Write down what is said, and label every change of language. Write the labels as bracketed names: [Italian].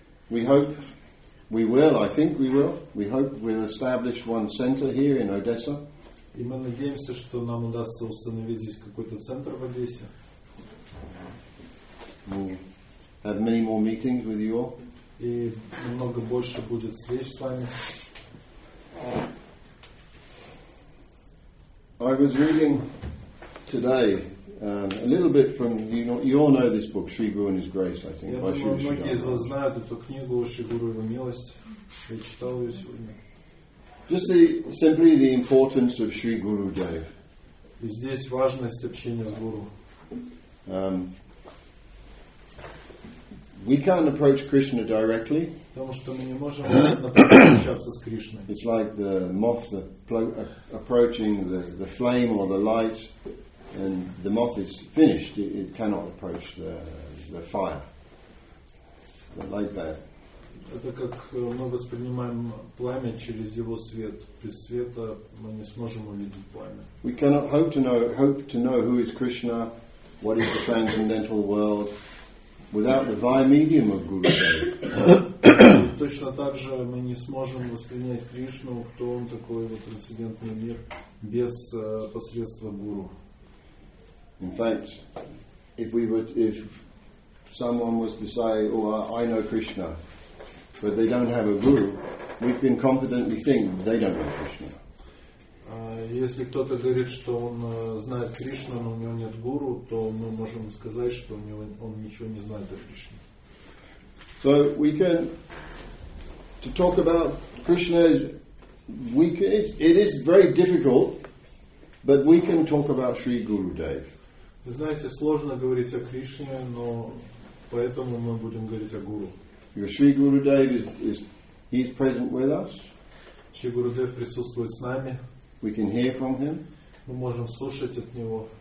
[English] We hope, we will, I think we will, we hope we'll establish one center here in Odessa. [Russian] И мы надеемся, что нам удастся установить здесь какой-то центр в Одессе. [English] We'll have many more meetings with you all. [Russian] И намного больше будет встреч с вами. [English] I was reading today a little bit from, you all know this book, Sri Guru and His Grace, I think, by Sri Guru. [Russian] Многие из вас знают эту книгу, Sri Guru и Его Милость. Я читал ее сегодня. [English] Just simply the importance of Sri Gurudev. [Russian] И здесь важность общения с Гуру. [English] We can't approach Krishna directly. [Russian] Потому что мы не можем общаться с Кришной. [English] It's like the moth approaching the flame or the light, and the moth is finished. It cannot approach the fire. But like that. [Russian] Это как мы воспринимаем пламя через его свет. Без света мы не сможем увидеть пламя. [English] We cannot hope to know who is Krishna, what is the transcendental world. Without the via medium of Guru Dev. [Russian] Точно так же мы не сможем воспринять Кришну, кто он такой, вот трансцендентный мир, без посредства Гуру. [English] In fact, if someone was to say, oh, I know Krishna, but they don't have a Guru, we can confidently think they don't know Krishna. [Russian] Если кто-то говорит, что он знает Кришну, но у него нет гуру, то мы можем сказать, что он ничего не знает о Кришне. [English] So we can to talk about Krishna. It is very difficult, but we can talk about Sri Gurudev. [Russian] Знаете, сложно говорить о Кришне, но поэтому мы будем говорить о гуру. [English] Because Sri Gurudev is present with us. [Russian] Sri Gurudev присутствует с нами. [English] We can hear from him. [Russian] Мы можем слушать от него.